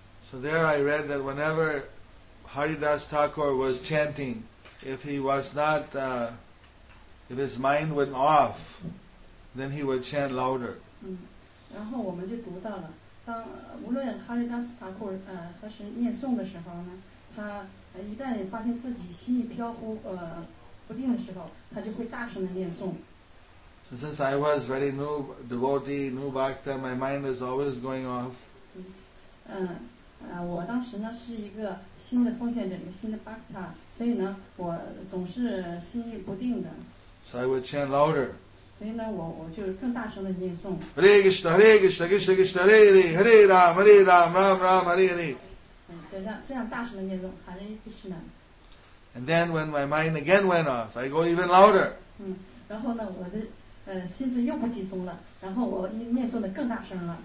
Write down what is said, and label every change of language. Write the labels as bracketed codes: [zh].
[en] So there I read that whenever Haridas Thakur was chanting, if he was not, if his mind went off, then he would chant louder. [zh] 然后我们就读到了当无论哈利达斯塔库何时念诵的时候呢，他一旦发现自己心意飘忽不定的时候，他就会大声的念诵。 [en] So since I was very new devotee, new bhakta, my mind was always going off. [zh] 我当时呢是一个新的奉献者，新的 bhakta， 所以呢我总是心意不定的。 [en] So I would chant louder. [zh] 所以呢，我就更大声的念诵。 [en] Hare Krishna, Hare Krishna, Krishna Krishna, Hare Hare, Hare Rama, Hare Rama, Rama Rama, Hare Hare. [zh] 这样大声的念诵 ，Hare Krishna. [en] And then when my mind again went off, I go even louder. [zh] 然后呢，我的心思又不集中了，然后我念诵的更大声了。